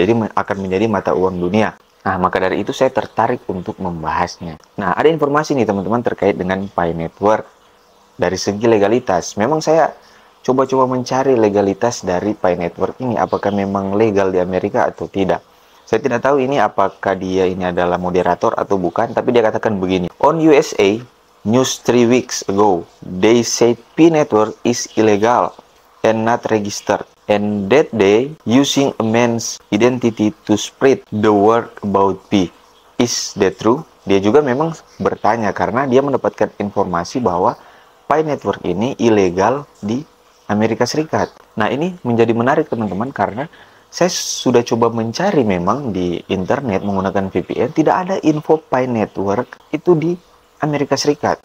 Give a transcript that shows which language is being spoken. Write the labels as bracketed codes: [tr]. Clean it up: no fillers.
[id] Jadi akan menjadi mata uang dunia. Nah, maka dari itu saya tertarik untuk membahasnya. Nah, ada informasi nih teman-teman terkait dengan Pi Network dari segi legalitas. Memang saya coba-coba mencari legalitas dari Pi Network ini. Apakah memang legal di Amerika atau tidak? Saya tidak tahu ini apakah dia ini adalah moderator atau bukan. Tapi dia katakan begini. [en] On USA News 3 weeks ago, they said Pi Network is illegal and not registered. And that day, using a man's identity to spread the word about Pi. Is that true? [id] Dia juga memang bertanya karena dia mendapatkan informasi bahwa Pi Network ini ilegal di Amerika Serikat. Nah, ini menjadi menarik teman-teman karena saya sudah coba mencari memang di internet menggunakan VPN. Tidak ada info Pi Network itu di Amerika Serikat.